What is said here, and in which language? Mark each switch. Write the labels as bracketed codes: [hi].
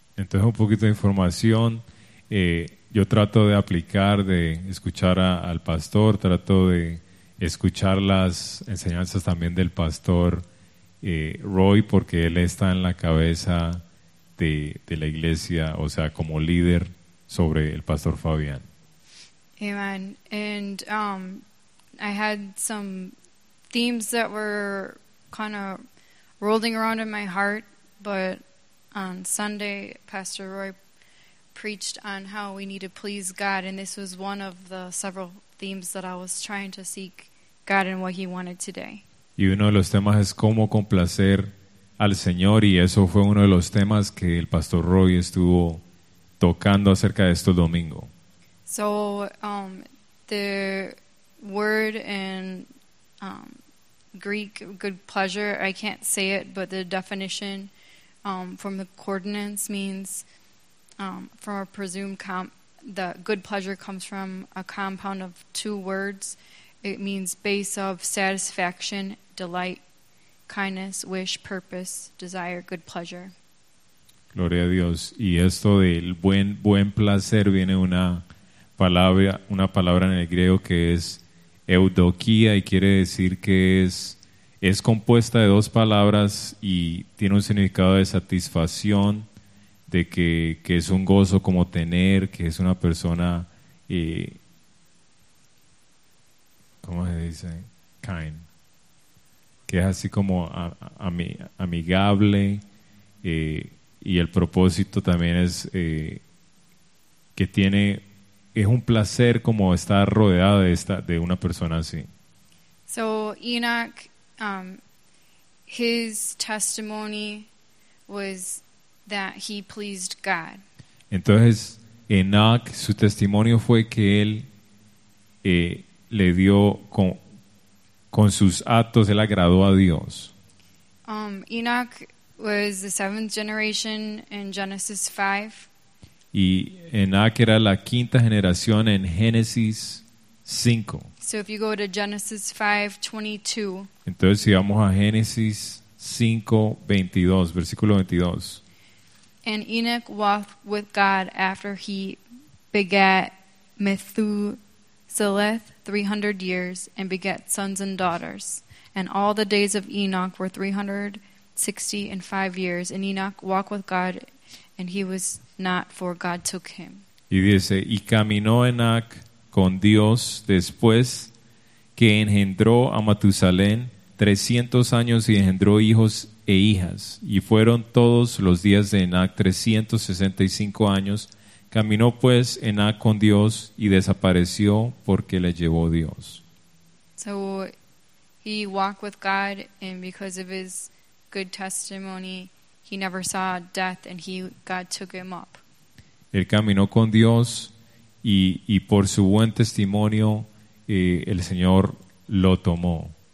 [es] Entonces, un poquito de información. Yo trato de aplicar, de escuchar al pastor, trato de escuchar las enseñanzas también del pastor Roy, porque él está en la cabeza de la iglesia, o sea, como líder sobre el pastor Fabián. [en] Amen. And I had some themes that were kind of rolling around in my heart, but on Sunday, Pastor Roy preached on how we need to please God, and this was one of the several themes that I was trying to seek God and what He wanted today. [es] Y uno de los temas es cómo complacer al Señor, y eso fue uno de los temas que el Pastor Roy estuvo tocando acerca de esto el domingo. [en] So, the word in Greek, good pleasure, I can't say it, but the definition from the coordinates means from a presumed the good pleasure comes from a compound of two words. It means base of satisfaction, delight, kindness, wish, purpose, desire, good pleasure. [es] Gloria a Dios. Y esto del buen placer viene una palabra en el griego que es eudoquía y quiere decir que es compuesta de dos palabras y tiene un significado de satisfacción, de que es un gozo como tener, que es una persona, ¿cómo se dice? Kind. Que es así como amigable, y el propósito también es que tiene, es un placer como estar rodeada de una persona así. [en] So Enoch, his testimony was that he pleased God. [es] Entonces Enoch, su testimonio fue que él le dio con sus actos, él agradó a Dios. [en] Enoch was the seventh generation in Genesis 5. [es] Y Enoch era la quinta generación en Génesis 5. [en] So if you go to Genesis 5:22. [es] Entonces si vamos a Génesis 5:22, versículo 22. [en] And Enoch walked with God after he begat Methuselah 300 years and begat sons and daughters. And all the days of Enoch were 365 years. And Enoch walked with God and he was not, for God took him. [es] Y dice, y caminó Enoch con Dios después que engendró a Matusalén 300 años y engendró hijos e hijas, y fueron todos los días de Enoch 365 años. Caminó pues Enoch con Dios y desapareció porque le llevó Dios. [en] So he walked with God, and because of his good testimony, he never saw death, and God took him up. [es] Él caminó con Dios y por su buen testimonio el Señor lo tomó.